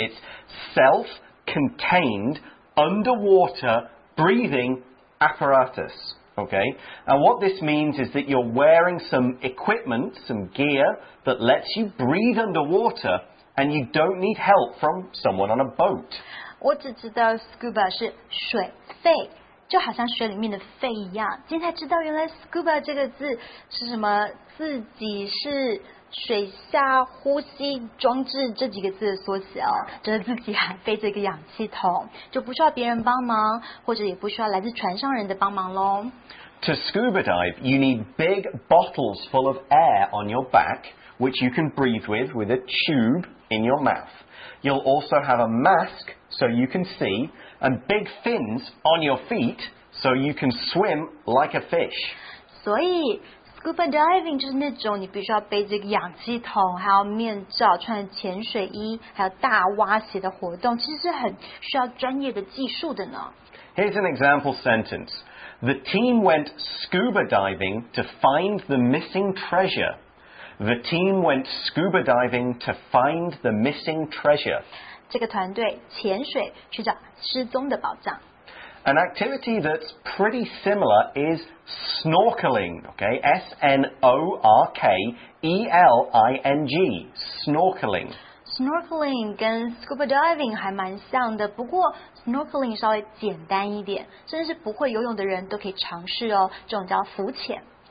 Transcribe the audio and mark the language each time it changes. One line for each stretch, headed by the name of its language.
English: It's self-contained underwater breathing apparatus. Okay? And what this means is that you're wearing some equipment, some gear that lets you breathe underwater and you don't need help from someone on a boat.
Chinese: 我只知道 scuba 是水肺。就好像水里面的肺一样，今天才知道原来 scuba 这个字是什么，自己是水下呼吸装置这几个字的缩写哦，就是自己还背着一个氧气筒，就不需要别人帮忙，或者也不需要来自船上人的帮忙咯。
English: To scuba dive, you need big bottles full of air on your back, which you can breathe with a tube in your mouth. You'll also have a mask so you can see. And big fins on your feet so you can swim like a fish.
Chinese: 所以 scuba diving 就是那种你必须要背这个氧气筒还有面罩穿潜水衣还有大蛙鞋的活动其实是很需要专业的技术的呢。
English: Here's an example sentence. The team went scuba diving to find the missing treasure. The team went scuba diving to find the missing treasure.
Chinese: 这个团队潜水去找失踪的宝藏。
English: An activity that's pretty similar is snorkeling, okay? S-N-O-R-K-E-L-I-N-G, snorkeling.
Chinese: Snorkeling 跟 scuba diving 还蛮像的，不过 snorkeling 稍微简单一点，甚至是不会游泳的人都可以尝试哦，这种叫浮潜。